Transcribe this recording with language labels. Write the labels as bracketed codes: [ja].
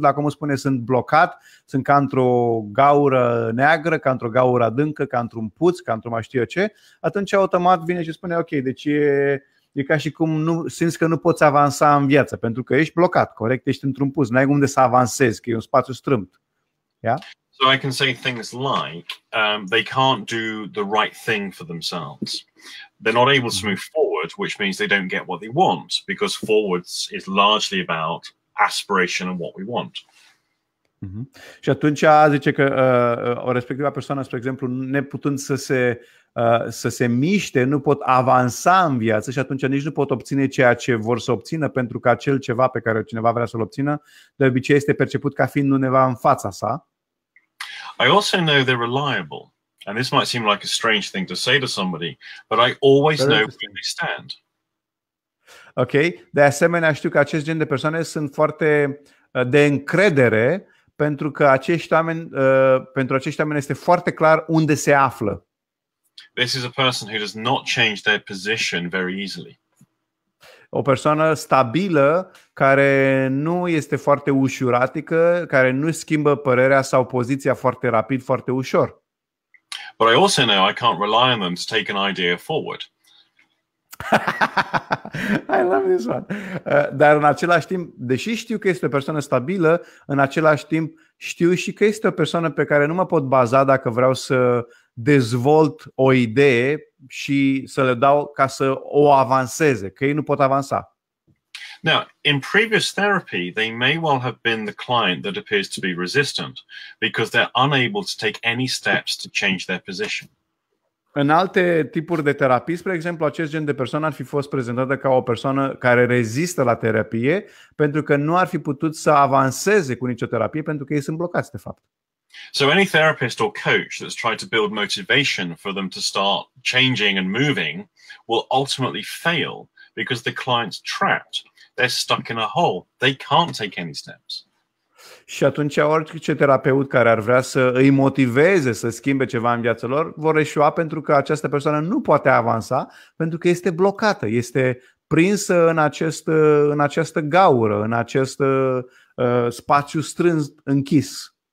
[ro] Dacă mă spune sunt blocat, sunt ca într-o gaură neagră, ca într-o gaură adâncă, ca într-un puț, ca într-o mai știu ce, atunci automat vine și spune ok, deci e ca și cum nu simți că nu poți avansa în viață, pentru că ești blocat, corect, ești într-un puț, n-ai unde să avansezi, că e un spațiu strâmt. [en] Yeah? So I can say things like they can't do the right thing for themselves. They're not able to move forward. forward, which means they don't get what they want, because forwards is largely about aspiration and what we want. Mm-hmm. [ro] Și atunci zice că o respectivă persoană, spre exemplu, neputând să se să se miște, nu pot avansa în viață și atunci nici nu pot obține ceea ce vor să obțină, pentru că acel ceva pe care cineva vrea să-l obțină, de obicei este perceput ca fiind undeva în fața sa. [en] I also know they're reliable. And this might seem like a strange thing to say to somebody, but I always know where they stand. [ro] Ok, de asemenea știu că acest gen de persoane sunt foarte de încredere, pentru că acești oameni, pentru acești oameni este foarte clar unde se află. [en] This is a person who does not change their position very easily. [ro] O persoană stabilă care nu este foarte ușuratică, care nu schimbă părerea sau poziția foarte rapid, foarte ușor. [en] But I also know I can't rely on them to take an idea forward. I love this one. [ro] Dar în același timp, deși știu că este o persoană stabilă, în același timp știu și că este o persoană pe care nu mă pot baza dacă vreau să dezvolt o idee și să le dau ca să o avanseze, că ei nu pot avansa. [en] Now, in previous therapy, they may well have been the client that appears to be resistant because they're unable to take any steps to change their position. [ro] În alte tipuri de terapii, spre exemplu, acest gen de persoană ar fi fost prezentată ca o persoană care rezistă la terapie pentru că nu ar fi putut să avanseze cu nicio terapie pentru că ei sunt blocați, de fapt. [en] So any therapist or coach that's tried to build motivation for them to start changing and moving will ultimately fail because the client's trapped. They're stuck in a hole. They can't take any steps. [ro] Și atunci orice terapeut care ar vrea să îi motiveze să schimbe ceva în viața lor vor eșua, pentru că această persoană nu poate avansa, pentru că este blocată, este prinsă în acest, în această gaură, în acest spațiu strâns, închis.